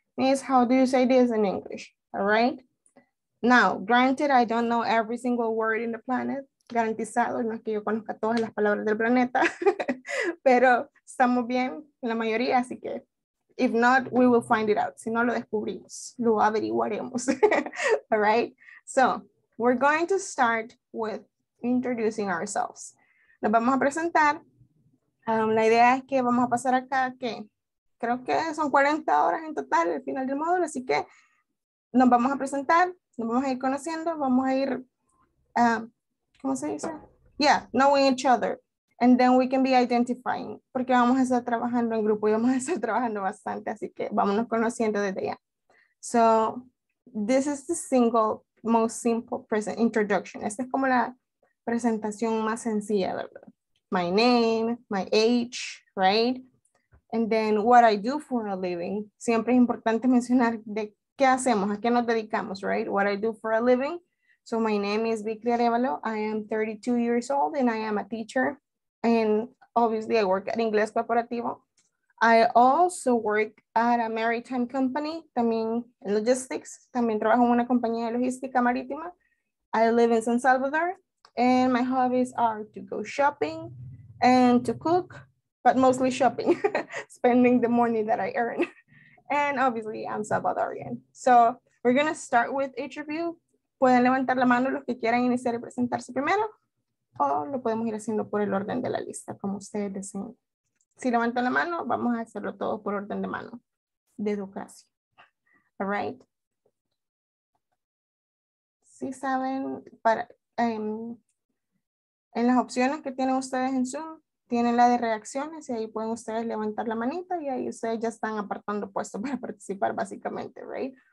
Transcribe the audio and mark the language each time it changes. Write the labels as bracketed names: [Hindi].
[English] Miss, how do you say this in English? All right? Now, granted, I don't know every single word in the planet. [Spanish] Garantizado, no es que yo conozca todas las palabras del planeta. Pero estamos bien, la mayoría, así que [English] if not, we will find it out. [Spanish] Si no lo descubrimos, lo averiguaremos. [English] All right? So, we're going to start with introducing ourselves. [Spanish] Nos vamos a presentar. La idea es que vamos a pasar acá, que creo que son 40 horas en total al final del módulo, así que nos vamos a presentar, nos vamos a ir conociendo, vamos a ir, ¿cómo se dice? [English] Yeah, knowing each other. And then we can be identifying, [Spanish] porque vamos a estar trabajando en grupo y vamos a estar trabajando bastante, así que vámonos conociendo desde ya. [English] So, this is the single most simple present introduction. [Spanish] Esta es como la presentación más sencilla, ¿verdad? [English] My name, my age, right? And then what I do for a living. [Spanish] Siempre es importante mencionar de qué hacemos, a qué nos dedicamos, right? [English] What I do for a living. So my name is Vicky Arevalo. I am 32 years old and I am a teacher. And obviously I work at Inglés Corporativo. I also work at a maritime company, también in logistics. [Spanish] También trabajo en una compañía de logística marítima. [English] I live in San Salvador. And my hobbies are to go shopping and to cook, but mostly shopping, spending the money that I earn. And obviously I'm Salvadorian. So we're gonna start with each of you. [Spanish] Pueden levantar la mano los que quieran iniciar y presentarse primero, o lo podemos ir haciendo por el orden de la lista, como ustedes deseen. Si levantan la mano, vamos a hacerlo todo por orden de mano, de educación. [English] All right. [Spanish] Si saben, para, en las opciones que tienen ustedes en Zoom, tienen la de reacciones y ahí pueden ustedes levantar la manita y ahí ustedes ya están apartando puestos para participar básicamente, right?